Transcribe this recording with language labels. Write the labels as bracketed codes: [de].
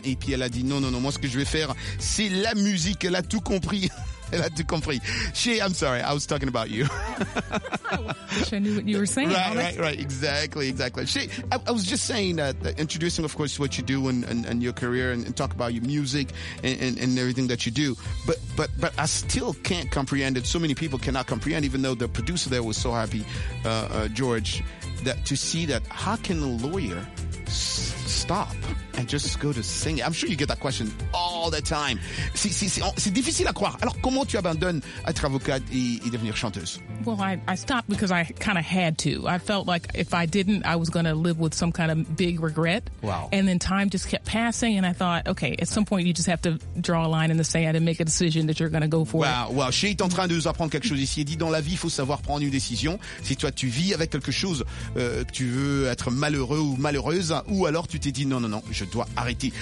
[fr] Et puis elle a dit non, moi ce que je vais faire c'est la musique. Elle a tout compris. [en] Shay, I'm sorry, I was talking about you. Which I knew what you were saying. Right, exactly. Shay, I was just saying that introducing, of course, what you do and your career and talk about your music and everything that you do. But I still can't comprehend it. So many people cannot comprehend, even though the producer there was so happy, George, that to see that how can a lawyer stop and just go to sing. I'm sure you get that question all the time. [fr] C'est difficile à croire. Alors, comment tu abandonnes être avocate et devenir chanteuse? [en] Well, I stopped because I kind of had to. I felt like if I didn't, I was going to live with some kind of big regret. Wow. And then time just kept passing, and I thought, okay, at some point, you just have to draw a line in the sand and make a decision that you're going to go for. Wow. [fr] Shay est en train de nous apprendre quelque chose ici. Il dit, dans la vie, il faut savoir prendre une décision. Si toi, tu vis avec quelque chose, que tu veux être malheureux ou malheureuse, ou alors tu t'es dit, non, je dois arrêter.